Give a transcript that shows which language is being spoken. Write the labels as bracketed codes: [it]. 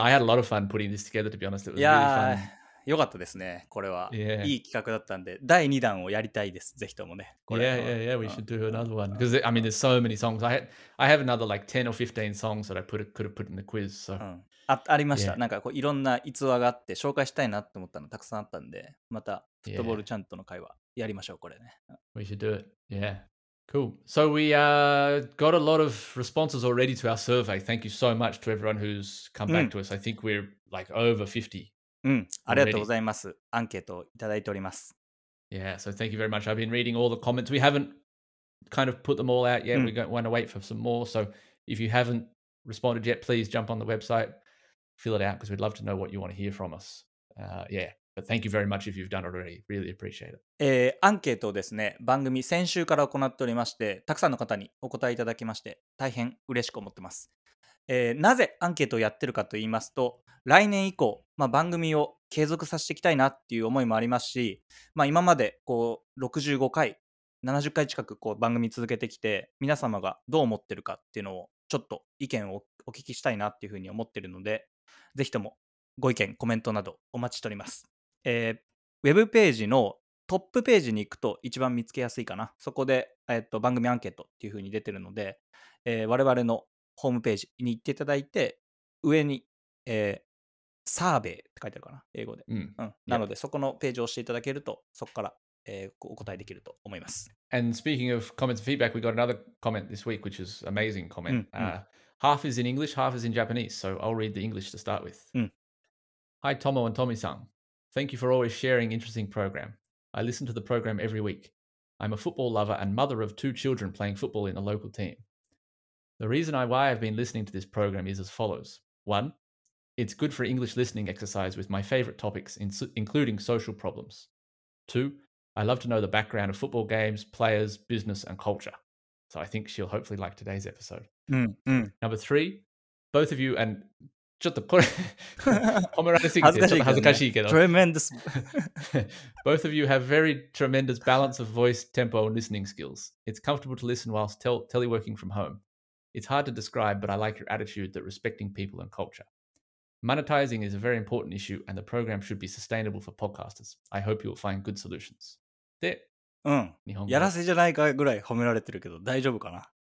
[en] I had a lot of fun putting this together, to be honest. It was really fun. [ja] よかったですね、これは。いい企画だったんで、第2弾をやりたいです、ぜひともね。 [en] Yeah, we should do another one. Because, I mean, there's so many songs. I have another like 10 or 15 songs that I could have put in the quiz. So. [ja] ありました。なんかこういろんな逸話があって、紹介したいなって思ったのたくさんあったんで、またフットボールチャントの会話やりましょう、これね。 [en] We should do it, yeah. Cool. So we got a lot of responses already to our survey. Thank you so much to everyone who's come back to us. I think we're like over 50. [ja] ありがとうございます。アンケートをいただいております。 [en] Yeah, so thank you very much. I've been reading all the comments. We haven't kind of put them all out yet. We want to wait for some more. So if you haven't responded yet, please jump on the website, fill it out, because we'd love to know what you want to hear from us. But thank you very much if you've done already. Really appreciate it. [ja] アンケートをですね、番組先週から行っておりまして、たくさんの方にお答えいただきまして、大変嬉しく思ってます。なぜアンケートをやってるかと言いますと、来年以降、まあ、番組を継続させていきたいなっていう思いもありますし、まあ、今までこう65回、70回近くこう番組続けてきて、皆様がどう思ってるかっていうのを、ちょっと意見をお聞きしたいなっていうふうに思ってるので、ぜひともご意見、コメントなどお待ちしております。ウェブページのトップページに行くと一番見つけやすいかな。そこで、番組アンケートっていう風に出てるので、我々のホームページに行っていただいて、上に、サーベイって書いてあるかな、英語で。なので、そこのページを押していただけると、そこから、お答えできると思います。 [en] And speaking of comments and feedback, we got another comment this week, which is amazing comment. Half is in English, half is in Japanese, so I'll read the English to start with. Hi, Tomo and Tommy-san. Thank you for always sharing interesting program. I listen to the program every week. I'm a football lover and mother of two children playing football in a local team. The reason why I've been listening to this program is as follows. One, it's good for English listening exercise with my favorite topics, including social problems. Two, I love to know the background of football games, players, business, and culture. So I think she'll hopefully like today's episode. Number three, both of you and... [ja] ちょっとこれ褒められすぎてちょっと恥ずかしいけど [en] Tremendous Both of you have very tremendous balance of voice, tempo and listening skills. It's comfortable to listen whilst teleworking from home. It's hard to describe, but I like your attitude that respecting people and culture. Monetizing is a very important issue, and the program should be sustainable for podcasters. I hope you will find good solutions. で、 [ja] うん、日本語やらせじゃないかぐらい褒められてるけど大丈夫かな。